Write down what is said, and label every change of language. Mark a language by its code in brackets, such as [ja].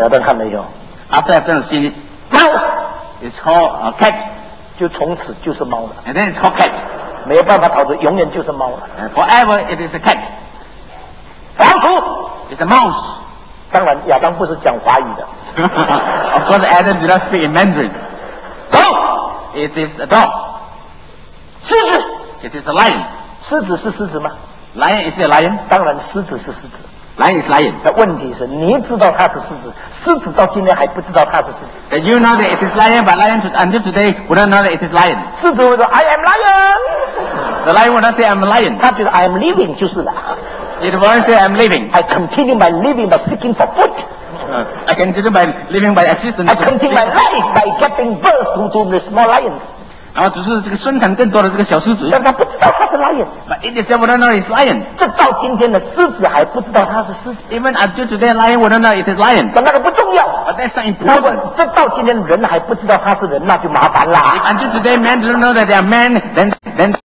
[zh] 亚当看了以后。 [en] After Adam has seen it. It's called a cat. [zh] 就从此就是猫了。 [en] And then it's called cat. [zh] 没有办法逃脱，永远就是猫了。 [en] And forever it is a cat. [zh] 老鼠。 [en] It's a mouse. [zh] 当然亚当不是讲华语的。 [en] Of course Adam did not speak in Mandarin. Dog. It is a dog. [zh] 狮子 [en] ，It is a lion. [zh] 狮子是狮子吗 [en] ？Lion is a lion. [zh] 当然，狮子是狮子。 [en] Lion is lion. [zh] 那问题是，你知道它是狮子，狮子到今天还不知道它是狮子。 [en] That you know that it is lion, but lion until today would not know that it is lion. [zh] 狮子会说 ， [en] I am lion. The lion would not say I'm a lion. [zh] 它觉得 [en] I am living [zh] 就是了。 [en] It won't say I'm living. I continue my living by seeking for food. I continue my living by existence. I continue my life by getting birth to the small lions. [zh] 然后只是这个生产更多的这个小狮子，但他不知道他是 lion。 [en] But it is never known that it's lion。 [zh] 这到今天的狮子还不知道他是狮子。 [en] Even until today, lion would not know it is lion。 [zh] 但那个不重要。 [en] But that's not important。 [zh] 这到今天人还不知道他是人，那就麻烦了。 [en] Until today, man doesn't know that they are man, then